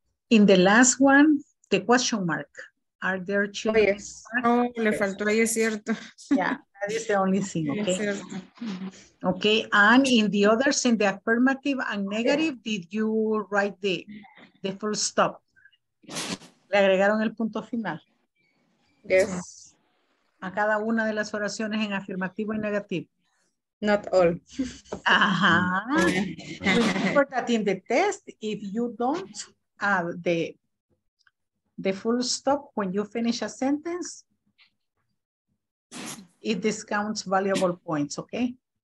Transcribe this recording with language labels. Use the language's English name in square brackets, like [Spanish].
[English] In the last one, the question mark. Are there children? Oh, yes. [Spanish] Oh, le faltó ahí, es cierto. [English] Yeah, that is the only thing, okay? Okay, and in the others, in the affirmative and negative, did you write the full stop? [Spanish] ¿Le agregaron el punto final? [English] Yes. [Spanish] A cada una de las oraciones en afirmativo y negativo. [English] Not all. Uh-huh. Ajá. But in the test, if you don't add the full stop when you finish a sentence, it discounts valuable points, okay?